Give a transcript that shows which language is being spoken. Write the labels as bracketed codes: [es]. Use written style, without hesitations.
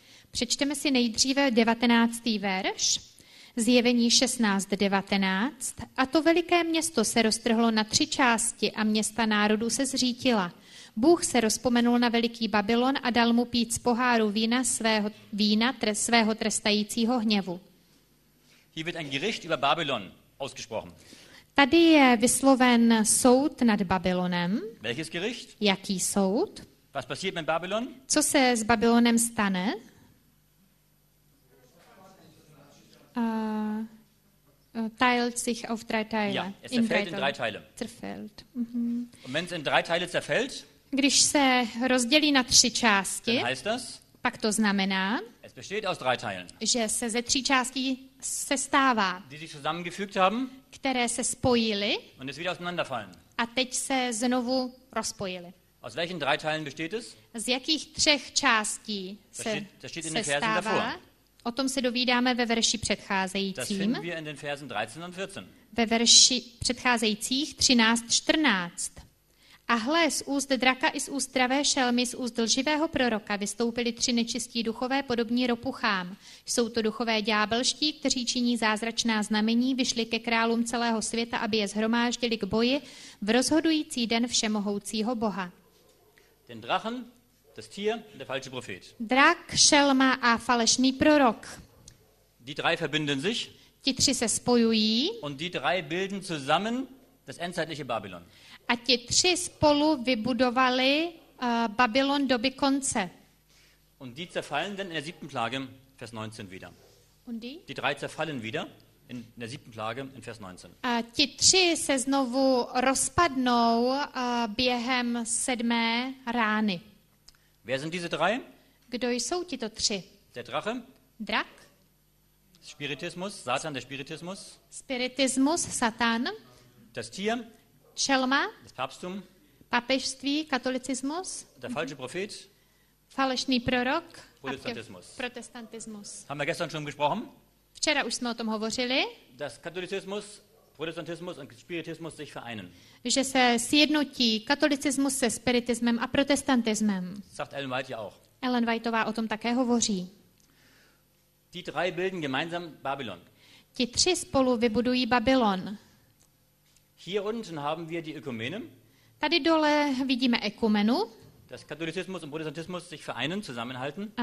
[cs] Přečteme si nejdříve 19. verš, zjevení 16:19. A to veliké město se roztrhlo na tři části a města národů se zřítila. Bůh se rozpomenul na veliký Babylon a dal mu pít z poháru vína svého trestajícího hněvu. [de] Hier wird ein Gericht über Babylon ausgesprochen. [cs] Tady je vysloven soud nad Babylonem. [de] Welches Gericht? [cs] Jaký soud? [de] Was passiert mit Babylon? [cs] Co se s Babylonem stane? [de] Teilt sich auf drei Teile. Ja, es zerfällt in drei Teile. Zerfällt. Mhm. Und wenn es in drei Teile zerfällt? [cs] Když se rozdělí na tři části, [de] dann heißt das, [cs] pak to znamená, [de] es besteht aus drei Teilen, [cs] že se ze tří částí sestává, [de] die sich zusammengefügt haben, [cs] které se spojily [de] und es wieder auseinanderfallen. [cs] A teď se znovu rozpojily. [de] Aus welchen drei Teilen besteht es? [cs] Z jakých třech částí se stává? O tom se dovídáme ve verši předcházejícím. [de] Das finden wir in den Versen 13 und 14. [cs] Ve verši předcházejících 13:14. A hle, z úst draka i z úst dravé šelmy, z úst lživého proroka vystoupili tři nečistí duchové podobní ropuchám. Jsou to duchové ďábelští, kteří činí zázračná znamení, vyšli ke králům celého světa, aby je zhromáždili k boji v rozhodující den všemohoucího Boha. [de] Den Drachen, das Tier, der falsche Prophet. [cs] Drak, šelma a falešný prorok. [de] Die drei verbinden sich. [cs] Ti tři se spojují. [de] Und die drei bilden zusammen das endzeitliche Babylon. [cs] A ti tři spolu vybudovali Babylon doby konce. [de] Und die zerfallen dann in der siebten Plage, Vers 19 wieder. Und die? Die drei zerfallen wieder in der siebten Plage, in Vers 19. [cs] A ti tři se znovu rozpadnou během sedmé rány. [de] Wer sind diese drei? [cs] Kdo jsou tito tři? [de] Der Drache. [cs] Drak. [de] Spiritismus, Satan, der Spiritismus. [cs] Spiritismus, Satan. [de] Das Tier. [cs] Šelma, [de] das Papsttum, [cs] papežství, katolicismus, [de] der falsche Prophet, [cs] falešný prorok, protestantismus. [de] Haben wir gestern schon gesprochen? [cs] Včera už jsme o tom hovořili. [de] Dass Katholizismus, Protestantismus und Spiritismus sich vereinen. [cs] Že se sjednotí katolicismus se spiritismem a protestantismem. [de] Sagt Ellen White ja auch. [cs] Ellen Whiteová o tom také hovoří. [de] Die drei bilden gemeinsam Babylon. [cs] Ti tři spolu vybudují Babylon. [de] Hier unten haben wir die Ökumene. [cs] Tady dole vidíme ekumenu. [de] dass Katholizismus und Protestantismus sich vereinen, zusammenhalten.